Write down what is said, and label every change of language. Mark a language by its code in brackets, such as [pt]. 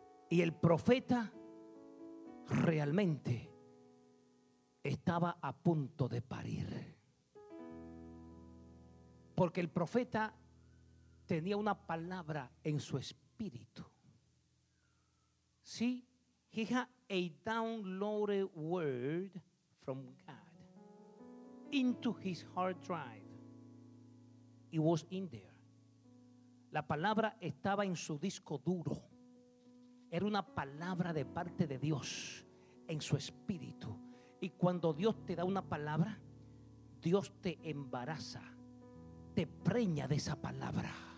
[es] Y el profeta realmente estaba a punto de parir. Porque el profeta tenía una palabra en su espíritu. [en] See, he had a downloaded word from God into his hard drive. It was in there. [es] La palabra estaba en su disco duro. Era una palabra de parte de Dios en su espíritu. Y cuando Dios te da una palabra, Dios te embaraza, te preña de esa palabra.